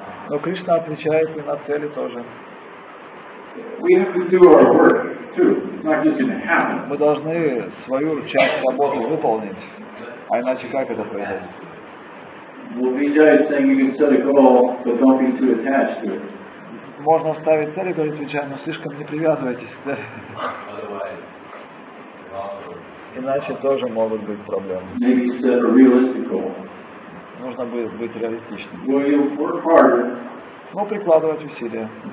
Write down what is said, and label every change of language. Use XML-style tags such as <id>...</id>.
<ru>Но Кришна отвечает и на цели тоже. Мы должны свою часть работы выполнить, а иначе как это произойдет?</ru> <en>Well, Vijay is saying you can set a goal, but don't be too attached to it.</en> <ru>Можно ставить цели, говорит Vijay, но слишком не привязывайтесь к цели. Иначе тоже могут быть проблемы.</ru> <en>Maybe set a realistic goal.</en> <ru>Нужно быть реалистичным.</ru> <en>Well, you work harder.</en> <ru>Но прикладывать усилия.</ru>